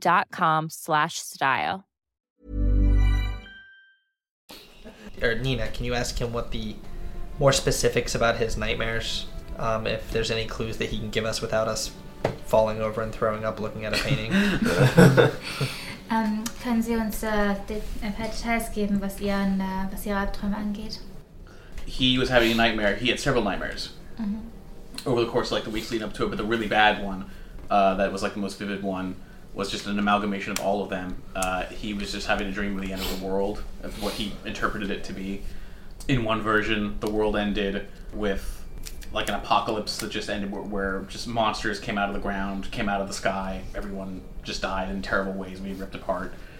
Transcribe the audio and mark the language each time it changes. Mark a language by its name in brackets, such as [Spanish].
[English] quince.com/style. Or Nina, can you ask him what the more specifics about his nightmares, if there's any clues that he can give us without us falling over and throwing up looking at a painting? [German] Können Sie uns ein paar Details geben, was Ihre Albträume angeht? [English] He was having a nightmare. He had several nightmares over the course of like the weeks leading up to it, but the really bad one, that was like the most vivid one, was just an amalgamation of all of them. He was just having a dream of the end of the world, of what he interpreted it to be. In one version, the world ended with like an apocalypse that just ended where just monsters came out of the ground, came out of the sky, everyone just died in terrible ways, being ripped apart.